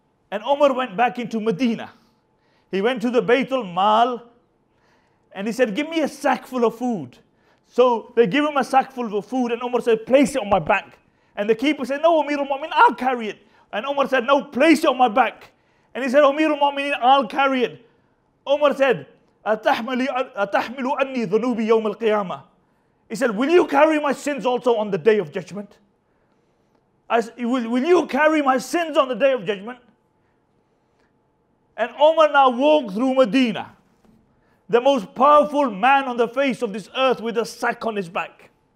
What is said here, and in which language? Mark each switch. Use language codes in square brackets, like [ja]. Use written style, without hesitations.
[en] And Umar went back into Medina. He went to the Baytul Mal and he said, give me a sack full of food. So they give him a sack full of food and Umar said, place it on my back. And the keeper said, no, Amir al-Mu'minin, I'll carry it. And Umar said, no, place it on my back. And he said, Amir al-Mu'minin, I'll carry it. Umar said, [ar] أتحملي أني ذنوبي يوم القيامة. [en] He said, will you carry my sins also on the Day of Judgment? Will you carry my sins on the Day of Judgment? And Umar now walked through Medina, the most powerful man on the face of this earth with a sack on his back.